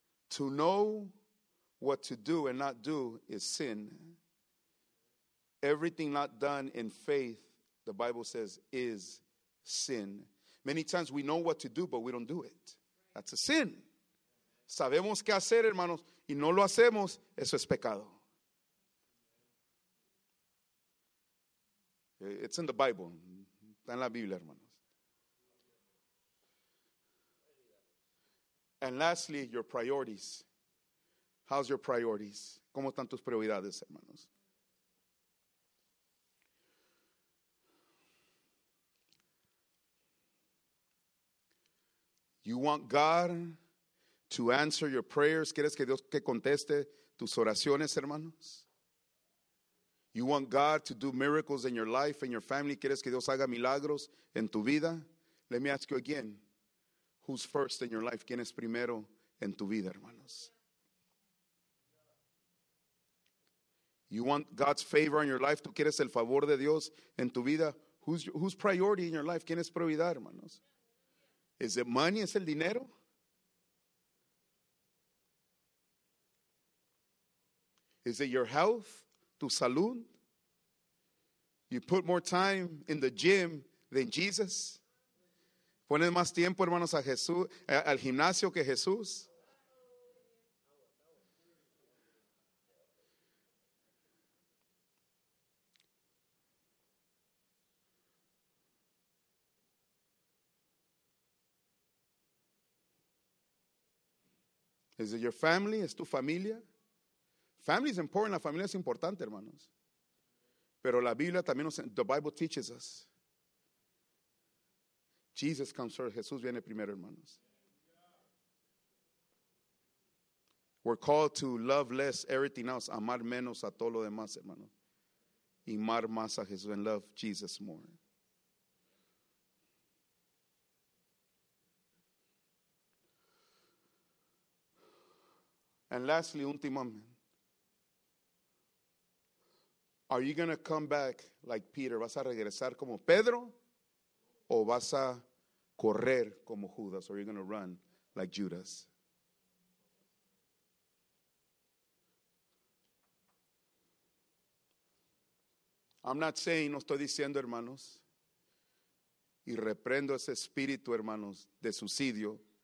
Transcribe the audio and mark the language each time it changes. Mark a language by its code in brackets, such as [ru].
[en] To know what to do and not do is sin. Everything not done in faith, the Bible says, is sin. Many times we know what to do, but we don't do it. That's a sin. [es] Sabemos qué hacer, hermanos, y no lo hacemos, eso es pecado. [en] It's in the Bible. [es] Está en la Biblia, hermanos. [en] And lastly, your priorities. How's your priorities? [es] ¿Cómo están tus prioridades, hermanos? [en] You want God to answer your prayers. [es] ¿Quieres que Dios que conteste tus oraciones, hermanos? [en] You want God to do miracles in your life and your family. [es] ¿Quieres que Dios haga milagros en tu vida? [en] Let me ask you again. Who's first in your life? [es] ¿Quién es primero en tu vida, hermanos? [en] You want God's favor in your life. [es] ¿Tú quieres el favor de Dios en tu vida? [en] Who's priority in your life? [es] ¿Quién es prioridad, hermanos? [en] Is it money? [es] ¿Es el dinero? [en] Is it your health? [es] ¿Tu salud? [en] You put more time in the gym than Jesus? [es] ¿Pones más tiempo, hermanos, a Jesús, al gimnasio que Jesús? [en] Is it your family? [es] ¿Es tu familia? [en] Family is important. [es] La familia es importante, hermanos. Pero la Biblia también nos, [en] the Bible teaches us. Jesus comes first. [es] Jesús viene primero, hermanos. [en] We're called to love less everything else. [es] Amar menos a todo lo demás, hermanos. Y amar más a Jesús. [en] And love Jesus more. And lastly, [es] últimamente, [en] are you going to come back like Peter? [es] ¿Vas a regresar como Pedro? ¿O vas a correr como Judas? [en] Or are you going to run like Judas? I'm not saying, [es] no estoy diciendo, hermanos, y reprendo ese espíritu, hermanos, de suicidio.